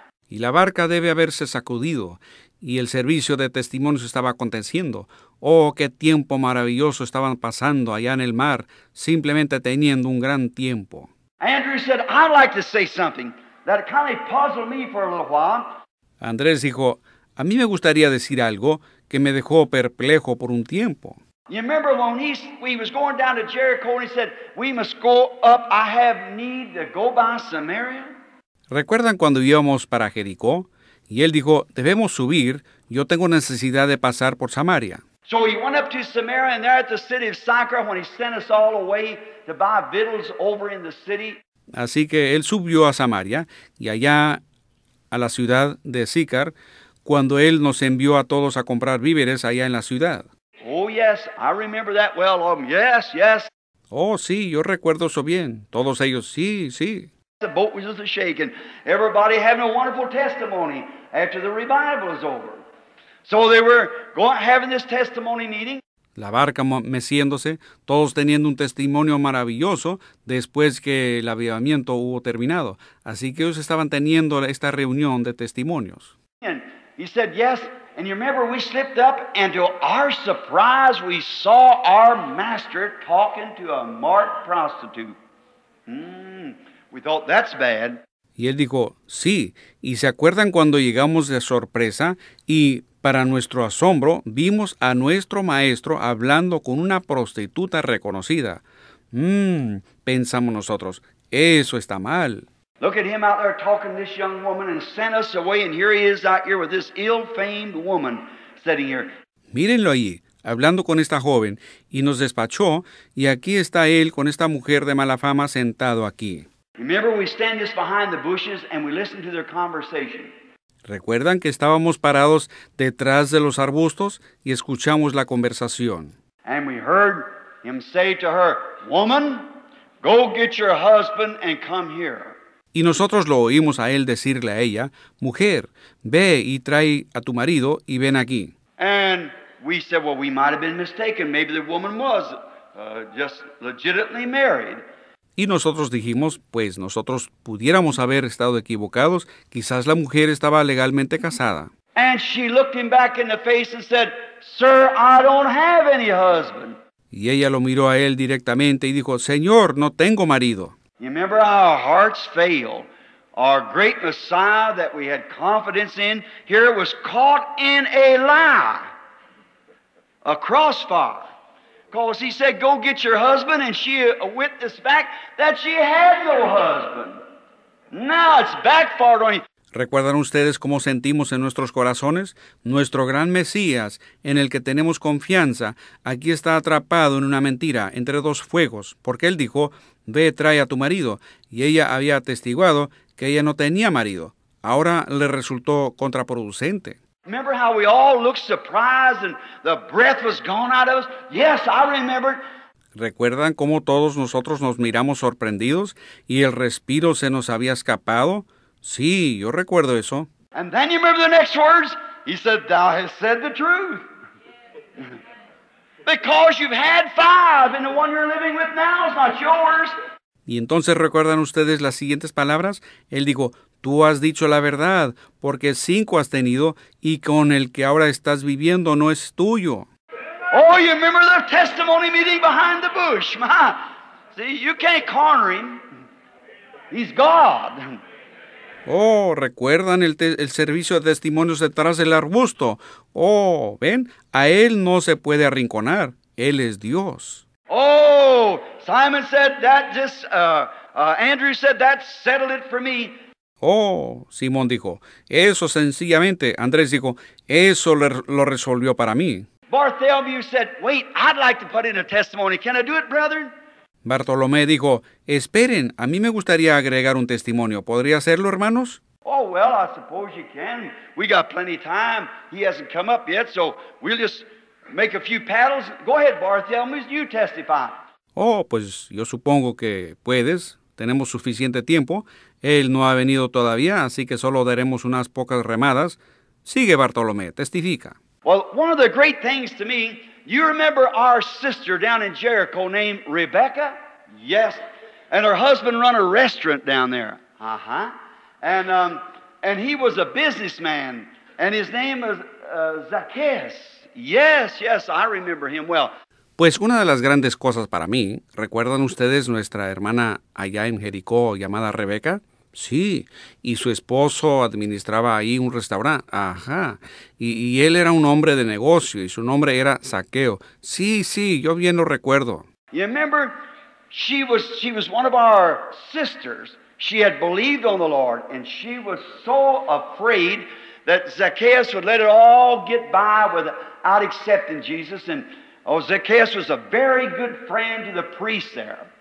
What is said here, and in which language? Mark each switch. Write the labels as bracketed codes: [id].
[es] Y la barca debe haberse sacudido y el servicio de testimonios estaba aconteciendo. Oh, qué tiempo maravilloso estaban pasando allá en el mar, simplemente teniendo un gran tiempo. [en] Andrew said, I'd like to say something that kind of puzzled me for a little while. [es] Andrés dijo, a mí me gustaría decir algo que me dejó perplejo por un tiempo. [en] You remember when he was going down to Jericho and he said, we must go up, I have need to go by Samaria? [es] ¿Recuerdan cuando íbamos para Jericó? Y él dijo, debemos subir, yo tengo necesidad de pasar por Samaria. [en] So he went up to Samaria and there at the city of Sychar when he sent us all away to buy victuals over in the city. [es] Así que él subió a Samaria y allá a la ciudad de Sychar cuando él nos envió a todos a comprar víveres allá en la ciudad. [en] Oh, yes, I remember that well. Yes, yes. [es] Oh, sí, yo recuerdo eso bien. Todos ellos, sí, sí. [en] The boat was just shaking. Everybody having a wonderful testimony after the revival was over. So they were going, having this testimony meeting. [es] La barca meciéndose, todos teniendo un testimonio maravilloso después que el avivamiento hubo terminado. Así que ellos estaban teniendo esta reunión de testimonios. [en] And he said, yes. And you remember we slipped up and to our surprise we saw our master talking to a marked prostitute. We thought that's bad. [es] Y él dijo, sí. ¿Y se acuerdan cuando llegamos de sorpresa y para nuestro asombro vimos a nuestro maestro hablando con una prostituta reconocida? Pensamos nosotros, eso está mal. [en] Look at him out there talking to this young woman and sent us away and here he is out here with this ill-famed woman sitting here. [es] Mírenlo allí, hablando con esta joven y nos despachó y aquí está él con esta mujer de mala fama sentado aquí. [en] Remember we stand just behind the bushes and we listen to their conversation. [es] ¿Recuerdan que estábamos parados detrás de los arbustos y escuchamos la conversación? [en] And we heard him say to her, woman, go get your husband and come here. [es] Y nosotros lo oímos a él decirle a ella, mujer, ve y trae a tu marido y ven aquí. [en] And we said, well, we might have been mistaken. Maybe the woman was just legitimately married. [es] Y nosotros dijimos, pues nosotros pudiéramos haber estado equivocados. Quizás la mujer estaba legalmente casada. [en] And she looked him back in the face and said, sir, I don't have any husband. [es] Y ella lo miró a él directamente y dijo, señor, no tengo marido. [en] You remember how our hearts failed. Our great Messiah that we had confidence in here was caught in a lie, a crossfire. Because he said, go get your husband, and she witnessed back that she had no husband. Now it's backfired on you. [es] ¿Recuerdan ustedes cómo sentimos en nuestros corazones? Nuestro gran Mesías, en el que tenemos confianza, aquí está atrapado en una mentira, entre dos fuegos, porque él dijo, ve, trae a tu marido, y ella había atestiguado que ella no tenía marido. Ahora le resultó contraproducente. [en] Remember how we all looked surprised and the breath was gone out of us? Yes, I remember. [es] ¿Recuerdan cómo todos nosotros nos miramos sorprendidos y el respiro se nos había escapado? Sí, yo recuerdo eso. [en] And then you remember the next words? He said, thou hast said the truth. Because you've had five and the one you're living with now is not yours. [es] Y entonces, ¿recuerdan ustedes las siguientes palabras? Él dijo, tú has dicho la verdad, porque cinco has tenido, y con el que ahora estás viviendo no es tuyo. [en] Oh, you remember the testimony meeting behind the bush. See, you can't corner him. He's God. [es] Oh, ¿recuerdan el servicio de testimonios detrás del arbusto? Oh, ven, a él no se puede arrinconar. Él es Dios. [en] Oh, Simon said that just, Andrew said that settled it for me. [es] Oh, Simón dijo, eso sencillamente, Andrés dijo, eso lo resolvió para mí. [en] Bartholomew said, wait, I'd like to put in a testimony. Can I do it, brother? [es] Bartolomé dijo, esperen, a mí me gustaría agregar un testimonio. ¿Podría hacerlo, hermanos? [en] Oh, well, I suppose you can. We got plenty of time. He hasn't come up yet, so we'll just make a few paddles. Go ahead, Bartholomew, you testify. [es] Oh, pues yo supongo que puedes. Tenemos suficiente tiempo. Él no ha venido todavía, así que solo daremos unas pocas remadas. Sigue, Bartolomé, testifica. [en] Well, one of the great things to me, you remember our sister down in Jericho named Rebecca? Yes. And her husband run a restaurant down there. Uh-huh. And he was a businessman. And his name was Zacchaeus. Yes, yes, I remember him well. [es] Pues una de las grandes cosas para mí, ¿recuerdan ustedes nuestra hermana allá en Jericó llamada Rebeca? Sí, y su esposo administraba ahí un restaurante. Ajá, y él era un hombre de negocio y su nombre era Zaqueo. Sí, sí, yo bien lo recuerdo. [en] You remember, she was one of our sisters. She had believed on the Lord and she was so afraid that Zacchaeus would let it all get by without accepting Jesus. And oh, Zacchaeus was a very good friend to the priest there.